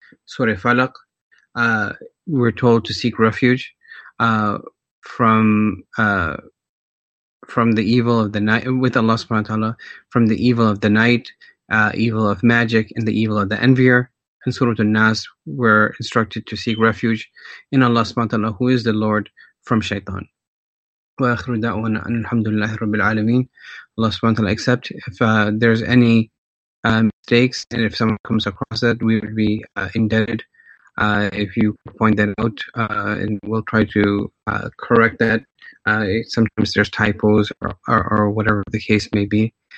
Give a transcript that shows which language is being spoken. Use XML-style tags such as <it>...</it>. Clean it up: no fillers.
<en>Surah Falaq, we're told to seek refuge from the evil of the night, with Allah subhanahu wa ta'ala, from the evil of the night, evil of magic, and the evil of the envier. In Surah An-Nas, we're instructed to seek refuge in Allah subhanahu wa ta'ala, who is the Lord, from shaitan.</en> <ar>وآخر دعوانا أن الحمد لله رب العالمين.</ar> <en>Allah subhanahu wa ta'ala accept. If there's any mistakes, and if someone comes across that, we would be indebted if you point that out, and we'll try to correct that. Sometimes there's typos or whatever the case may be.</en>